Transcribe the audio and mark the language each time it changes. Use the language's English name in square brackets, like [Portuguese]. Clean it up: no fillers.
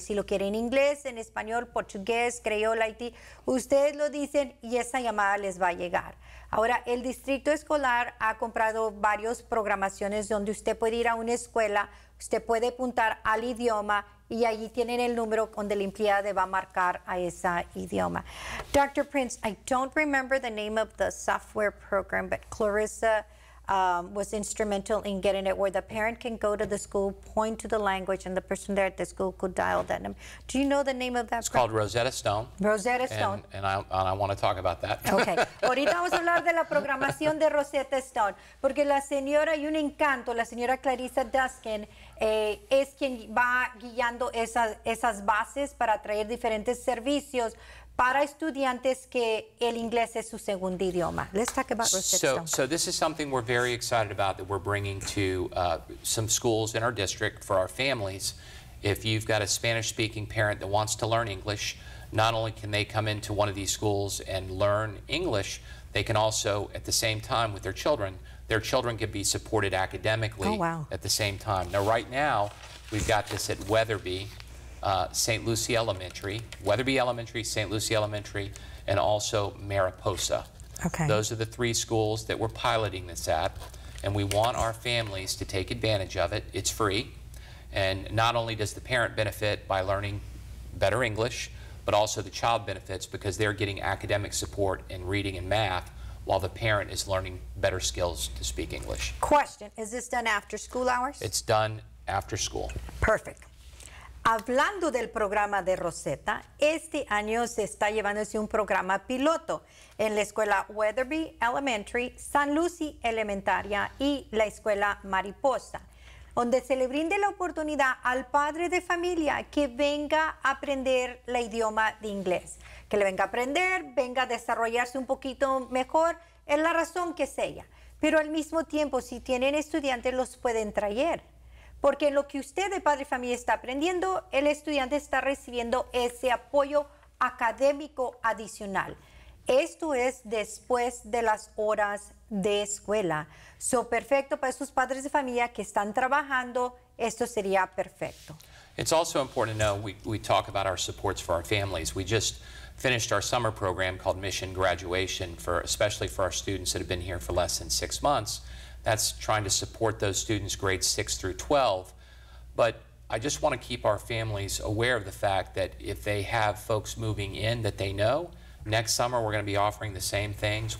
[Spanish] Si lo quiere en inglés, en español, portugués, creyol, haití, ustedes lo dicen y esa llamada les va a llegar. Ahora, el distrito escolar ha comprado varias programaciones donde usted puede ir a una escuela, usted puede apuntar al idioma y allí tienen el número donde la empleada le va a marcar a ese idioma. [English] Dr. Prince, I don't remember the name of the software program, but Clarissa was instrumental in getting it, where the parent can go to the school, point to the language, and the person there at the school could dial that number. Do you know the name of that? It's called Rosetta Stone. Rosetta Stone. And I want to talk about that. Okay. [Spanish] Ahorita vamos a hablar de la programación de Rosetta Stone, porque la señora, y un encanto, la señora Clarissa Duskin, es quien va guiando esas bases para traer diferentes servicios para estudiantes que el inglés es su segundo idioma. [English] Let's talk about Rosetta Stone. So this is something we're very excited about that we're bringing to some schools in our district for our families. If you've got a Spanish-speaking parent that wants to learn English, not only can they come into one of these schools and learn English, they can also, at the same time with their children can be supported academically oh, wow. at the same time. Now, right now, we've got this at Weatherby. St. Lucie Elementary, Weatherby Elementary, St. Lucie Elementary, and also Mariposa. Okay. Those are the three schools that we're piloting this at, and we want our families to take advantage of it. It's free, and not only does the parent benefit by learning better English, but also the child benefits because they're getting academic support in reading and math while the parent is learning better skills to speak English. Question, is this done after school hours? It's done after school. Perfect. [Spanish] Hablando del programa de Rosetta, este año se está llevándose un programa piloto en la escuela Weatherby Elementary, San Lucie Elementaria y la escuela Mariposa, donde se le brinde la oportunidad al padre de familia que venga a aprender el idioma de inglés. Que le venga a aprender, venga a desarrollarse un poquito mejor, es la razón que sea. Pero al mismo tiempo, si tienen estudiantes, los pueden traer. Porque lo que usted de padre y familia está aprendiendo, el estudiante está recibiendo ese apoyo académico adicional. Esto es después de las horas de escuela. So, perfecto para esos padres de familia que están trabajando, esto sería perfecto. [English] It's also important to know, we talk about our supports for our families. We just finished our summer program called Mission Graduation, especially for our students that have been here for less than 6 months. That's trying to support those students grades 6 through 12. But I just want to keep our families aware of the fact that if they have folks moving in that they know, next summer we're going to be offering the same things.